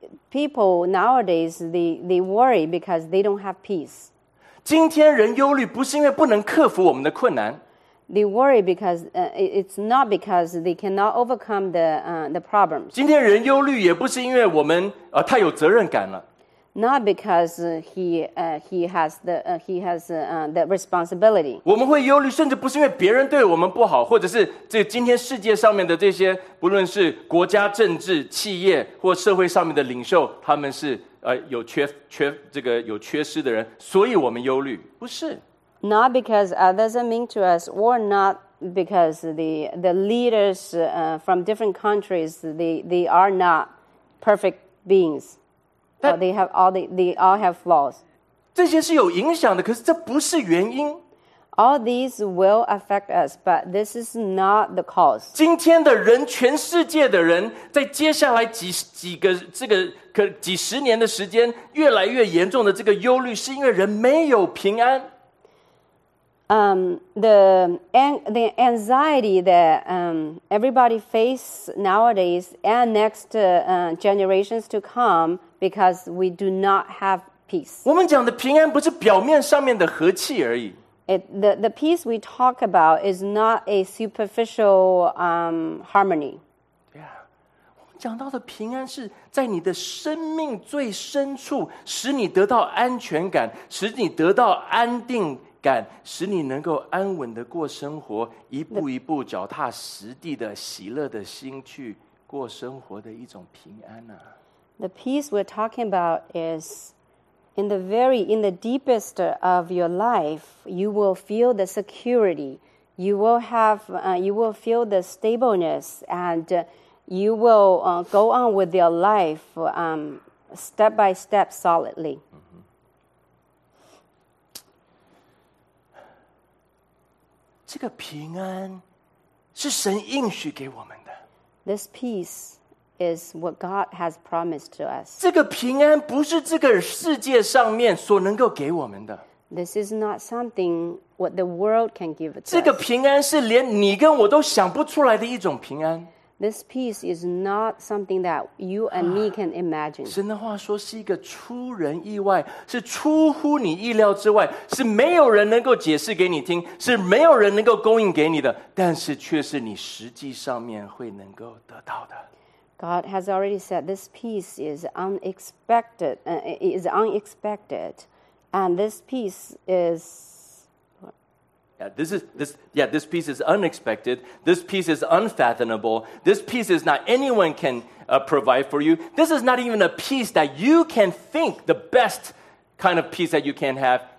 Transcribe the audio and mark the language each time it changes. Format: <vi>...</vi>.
<en>People nowadays, they worry because they don't have peace.</en> <zh>今天人忧虑不是因为不能克服我们的困难。</zh> <en>They worry because it's not because they cannot overcome the problems.</en> <zh>今天人忧虑也不是因为我们太有责任感了。</zh> <en>Not because he has the responsibility.</en> <zh>我们会忧虑，甚至不是因为别人对我们不好，或者是这今天世界上面的这些，不论是国家、政治、企业或社会上面的领袖，他们是有缺失的人，所以我们忧虑，不是。</zh> <en>Not because others are mean to us, or not because the leaders from different countries they are not perfect beings, but they all have flaws.</en> <zh>这些是有影响的，可是这不是原因。</zh> <en>All these will affect us, but this is not the cause.</en> <zh>今天的人，全世界的人，在接下来几十年的时间，越来越严重的这个忧虑，是因为人没有平安。</zh> <en>The anxiety that everybody face nowadays and next generations to come because we do not have peace.</en> <zh>我们讲的平安不是表面上面的和气而已。</zh> <en>The peace we talk about is not a superficial harmony. Yeah.</en> <zh>我们讲到的平安是在你的生命最深处使你得到安全感，使你得到安定感，使你能够安稳的过生活，一步一步脚踏实地的喜乐的心去过生活的一种平安啊。</zh> <en>The peace we're talking about is in the deepest of your life, you will feel the security, you will have, you will feel the stableness, and you will go on with your life, step by step, solidly.</en> <zh>这个平安是神应许给我们的。</zh> <en>This peace is what God has promised to us.</en> <zh>这个平安不是这个世界上面所能够给我们的。</zh> <en>This is not something what the world can give us.</en> <zh>这个平安是连你跟我都想不出来的一种平安。</zh> <en>This peace is not something that you and me can imagine.</en> <zh>神的话说是一个出人意外，是出乎你意料之外，是没有人能够解释给你听，是没有人能够供应给你的，但是却是你实际上面会能够得到的。</zh> <en>God has already said this peace is unexpected, and this peace is... This piece is unexpected. This piece is unfathomable. This piece is not anyone can provide for you. This is not even a piece that you can think the best kind of peace that you can have.</en>